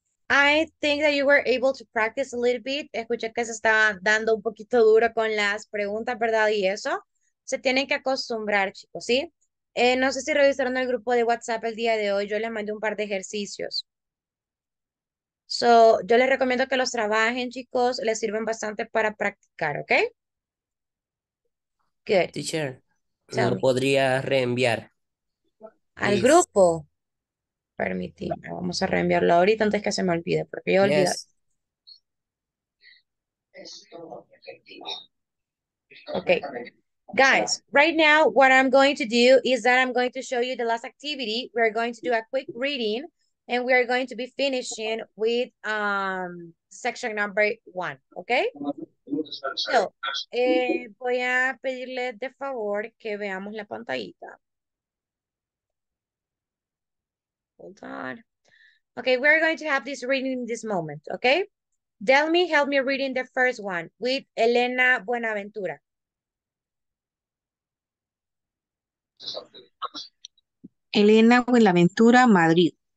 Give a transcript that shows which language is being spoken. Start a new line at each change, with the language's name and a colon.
English: I think that you were able to practice a little bit.
Spanish: Escuché que se estaba dando un poquito duro con las preguntas, ¿verdad? Y eso. Se tienen que acostumbrar, chicos, ¿sí? No sé si revisaron el grupo de WhatsApp el día de hoy. Yo les mandé un par de ejercicios. So, yo les recomiendo que los trabajen, chicos. Les sirven bastante para practicar, ¿ok?
English: Good.
Spanish: Teacher, ¿me lo podría reenviar? Al grupo. Permitirme, vamos a reenviarlo ahorita antes que se me olvide, porque yo olvidé.
English: Yes. Okay. Guys, right now, what I'm going to do is that I'm going to show you the last activity. We're going to do a quick reading, and we are going to be finishing with section number one, okay?
Spanish: So, voy a pedirle de favor que veamos la pantallita.
English: Hold on. Okay, we're going to have this reading in this moment, okay? Delmi, help me reading the first one with Elena Buenaventura. Elena Buenaventura, Madrid.